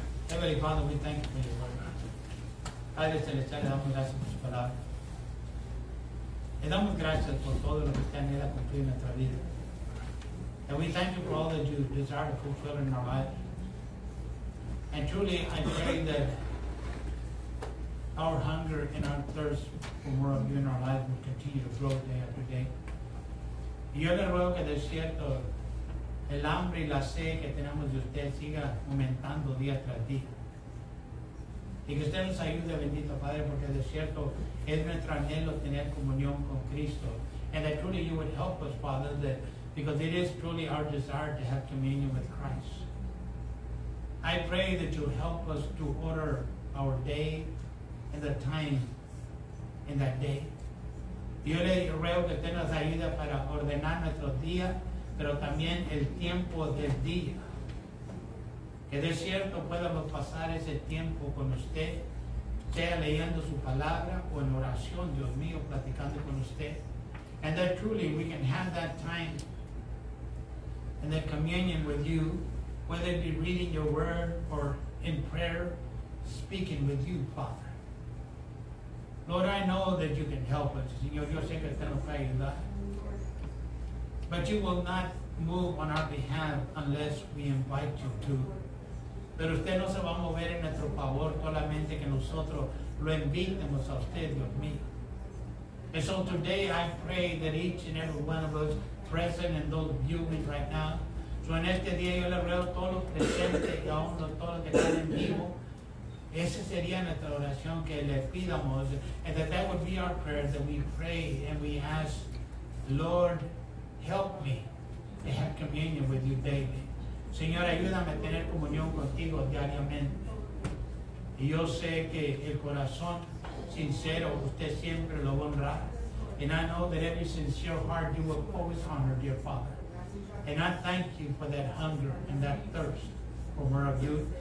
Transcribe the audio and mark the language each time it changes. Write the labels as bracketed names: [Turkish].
[English] Heavenly Father, we thank you for your word. [Spanish] Padre Celestial, le damos gracias por su palabra. Le damos gracias por todo lo que usted anhela cumplir en nuestra vida. [English] And we thank you for all that you desire to fulfill in our life. And truly, I pray that our hunger and our thirst for more of you in our life will continue to grow day after day. [Spanish] Y yo le ruego que de cierto el hambre y la sed que tenemos de usted siga aumentando día tras día. Y que usted nos ayude, bendito Padre, porque de cierto es nuestro anhelo tener comunión con Cristo. [English] And that truly you would help us, Father, that because it is truly our desire to have communion with Christ. I pray that you help us to order our day and the time in that day. [Spanish] Yo le ruego que usted nos ayude para ordenar nuestro día, pero también el tiempo del día. Que de cierto podamos pasar ese tiempo con usted, sea leyendo su palabra o en oración, Dios mío, platicando con usted. [English] And that truly we can have that time and that communion with you, whether it be reading your word or in prayer, speaking with you, Father. Lord, I know that you can help us. [Spanish] Señor, yo sé que usted nos puede ayudar. [English] But you will not move on our behalf unless we invite you to. [Spanish] Pero usted no se va a mover en nuestro favor solamente que nosotros lo invitemos a usted, Dios mío. [English] And so today I pray that each and every one of us present and those viewing right now, so [Spanish] en este día yo le ruego a todos los presentes y aún a todos los que están en vivo, esa sería nuestra oración que le pidamos, [English] and that would be our prayer that we pray and we ask, Lord, help me to have communion with you daily. [Spanish] Señor, ayúdame a tener comunión contigo diariamente. Y yo sé que el corazón sincero, usted siempre lo honra. [English] And I know that every sincere heart you will always honor, dear Father. And I thank you for that hunger and that thirst for more of you.